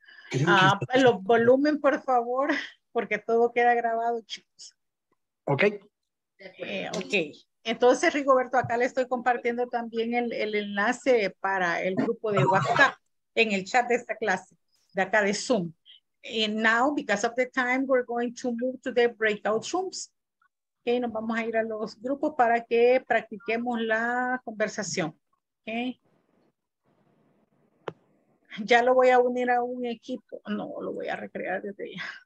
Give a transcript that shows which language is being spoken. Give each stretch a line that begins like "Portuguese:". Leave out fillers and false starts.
Spanish: Creo que... los volumen, por favor, porque todo queda grabado, chicos. Ok. Ok. Entonces, Rigoberto, acá le estoy compartiendo también el enlace para el grupo de WhatsApp en el chat de esta clase, de acá de Zoom.
English: And now, because of the time, we're going to move to the breakout rooms.
Spanish: Ok, nos vamos a ir a los grupos para que practiquemos la conversación. Ok. Ya lo voy a unir a un equipo. No, lo voy a recrear desde ya.